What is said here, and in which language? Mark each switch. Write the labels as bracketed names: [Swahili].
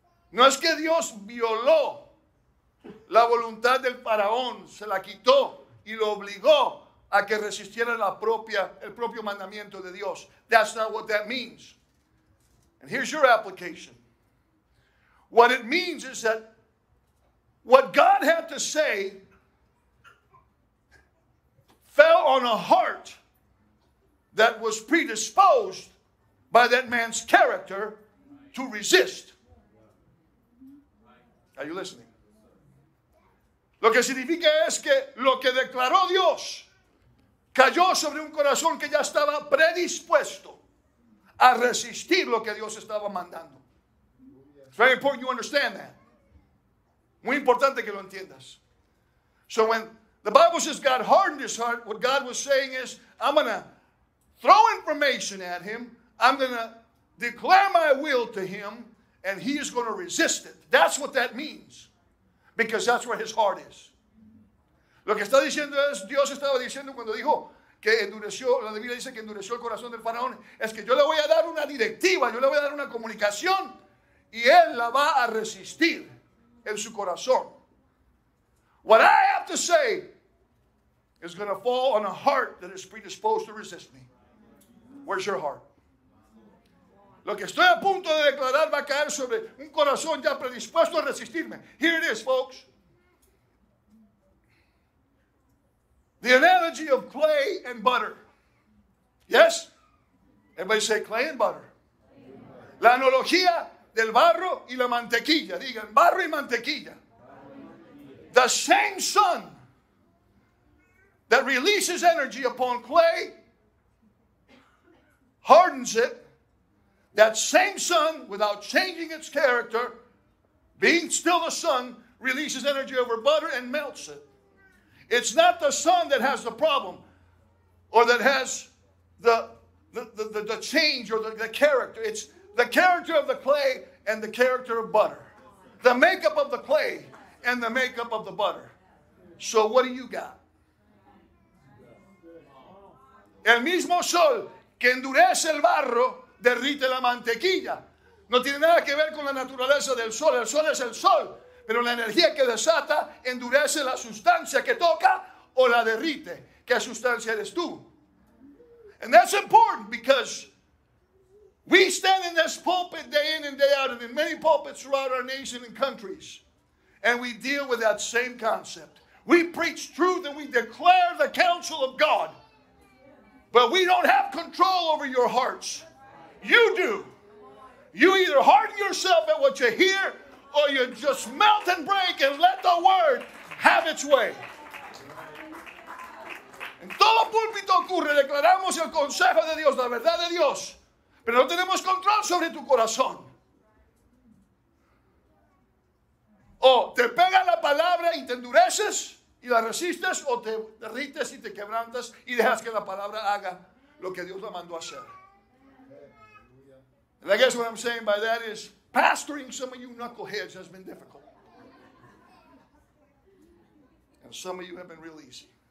[Spanish] No es que Dios violó la voluntad del faraón, se la quitó y lo obligó a que resistiera el propio mandamiento de Dios. [English] That's not what that means. And here's your application. What it means is that what God had to say fell on a heart that was predisposed by that man's character to resist. Are you listening? [Spanish] Lo que significa es que lo que declaró Dios cayó sobre un corazón que ya estaba predispuesto a resistir lo que Dios estaba mandando. [English] It's very important you understand that. [Spanish] Muy importante que lo entiendas. [English] So when the Bible says God hardened his heart, what God was saying is, I'm going to throw information at him. I'm going to declare my will to him, and he is going to resist it. That's what that means, because that's where his heart is. [Spanish] Lo que está diciendo es, Dios estaba diciendo cuando dijo que endureció, la Biblia dice que endureció el corazón del faraón, es que yo le voy a dar una directiva, yo le voy a dar una comunicación, y él la va a resistir en su corazón. [English] What I have to say is going to fall on a heart that is predisposed to resist me. Where's your heart? [Spanish] Lo que estoy a punto de declarar va a caer sobre un corazón ya predispuesto a resistirme. [English] Here it is, folks. The analogy of clay and butter. Yes? Everybody say clay and butter. [Spanish] La analogía del barro y la mantequilla. Digan, barro y mantequilla. [English] The same sun that releases energy upon clay hardens it. That same sun, without changing its character, being still the sun, releases energy over butter and melts it. It's not the sun that has the problem or that has the change or the character. It's the character of the clay and the character of butter. The makeup of the clay and the makeup of the butter. So what do you got? [Spanish] El mismo sol que endurece el barro derrite la mantequilla. No tiene nada que ver con la naturaleza del sol. El sol es el sol, pero la energía que desata endurece la sustancia que toca o la derrite. ¿Qué sustancia eres tú? [English] And that's important because we stand in this pulpit day in and day out and in many pulpits throughout our nation and countries. And we deal with that same concept. We preach truth and we declare the counsel of God. But we don't have control over your hearts. You do. You either harden yourself at what you hear or you just melt and break and let the word have its way. [Spanish] En todo púlpito ocurre, declaramos el consejo de Dios, la verdad de Dios. Pero no tenemos control sobre tu corazón. O te pega la palabra y te endureces y la resistes, o te derrites y te quebrantas y dejas que la palabra haga lo que Dios la mandó hacer. [English] And I guess what I'm saying by that is pastoring some of you knuckleheads has been difficult. And some of you have been real easy.